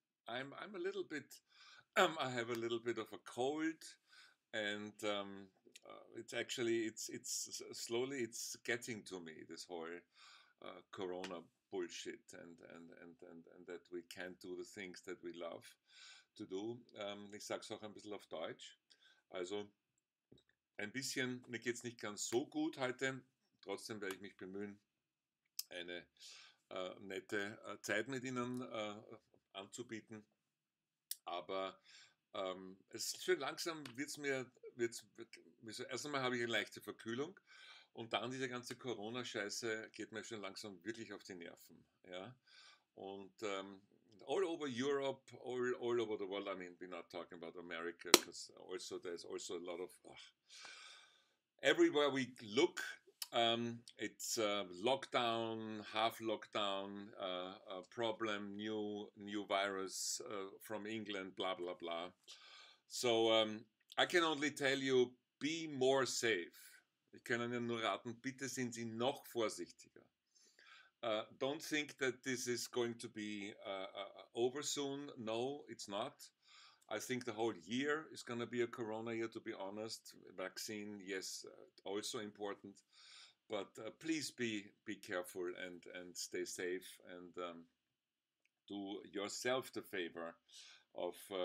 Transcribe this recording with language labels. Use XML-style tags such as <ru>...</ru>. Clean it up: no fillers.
<en>I'm a little bit, I have a little bit of a cold, and it's slowly it's getting to me, this whole Corona bullshit, and that we can't do the things that we love to do.</en> <de>Ich sag's auch ein bisschen auf Deutsch. Also ein bisschen, mir geht's nicht ganz so gut heute. Trotzdem werde ich mich bemühen, eine nette Zeit mit Ihnen anzubieten. Aber es ist schön langsam, erst einmal habe ich eine leichte Verkühlung und dann diese ganze Corona-Scheiße geht mir schon langsam wirklich auf die Nerven. Ja?</de> <en>Und all over Europe, all over the world, I mean, we're not talking about America, because also there's also a lot of, everywhere we look, it's lockdown, half lockdown, problem, new virus from England, blah blah blah. So I can only tell you, be more safe.</en> <de>Ich kann Ihnen nur raten, bitte sind Sie noch vorsichtiger.</de> <en>Don't think that this is going to be over soon. No, it's not. I think the whole year is going to be a corona year, to be honest. Vaccine, yes, also important. But please be careful and stay safe and do yourself the favor of</en>